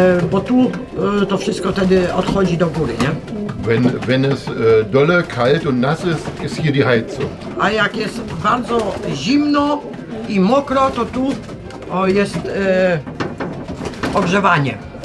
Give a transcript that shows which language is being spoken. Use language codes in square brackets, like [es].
[pl] Bo tu to wszystko wtedy odchodzi do góry, nie? [de] Wenn es dolle, kalt und nass ist, ist hier die Heizung. [pl] A jak jest bardzo zimno i mokro, to tu jest ogrzewanie.